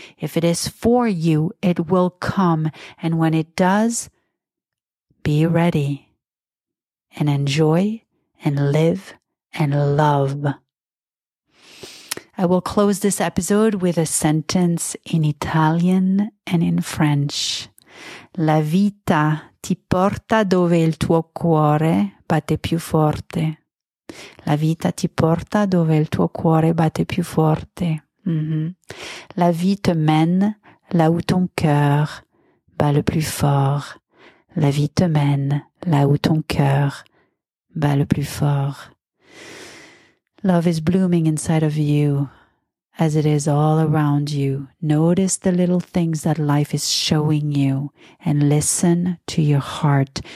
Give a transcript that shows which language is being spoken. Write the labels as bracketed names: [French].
[English] If it is for you, it will come. And when it does, be ready and enjoy and live and love. I will close this episode with a sentence in Italian and in French. [Italian] La vita ti porta dove il tuo cuore batte più forte. La vita ti porta dove il tuo cuore batte più forte. Mm-hmm. [French] La vie te mène là où ton cœur bat le plus fort. La vie te mène là où ton cœur bat le plus fort. [English] Love is blooming inside of you, as it is all around you. Notice the little things that life is showing you and listen to your heart.